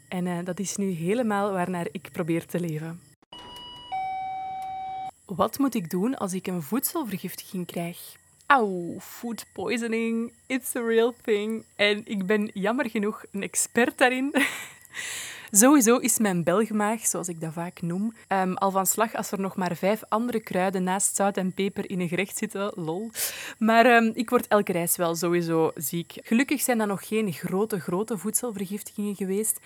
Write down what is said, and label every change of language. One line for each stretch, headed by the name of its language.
Dutch: En dat is nu helemaal waarnaar ik probeer te leven. Wat moet ik doen als ik een voedselvergiftiging krijg?
English: Auw, food poisoning, it's a real thing.
Dutch: En ik ben jammer genoeg een expert daarin. Sowieso is mijn belgmaag, zoals ik dat vaak noem, al van slag als er nog maar 5 andere kruiden naast zout en peper in een gerecht zitten. Lol. Maar ik word elke reis wel sowieso ziek. Gelukkig zijn dat nog geen grote voedselvergiftigingen geweest.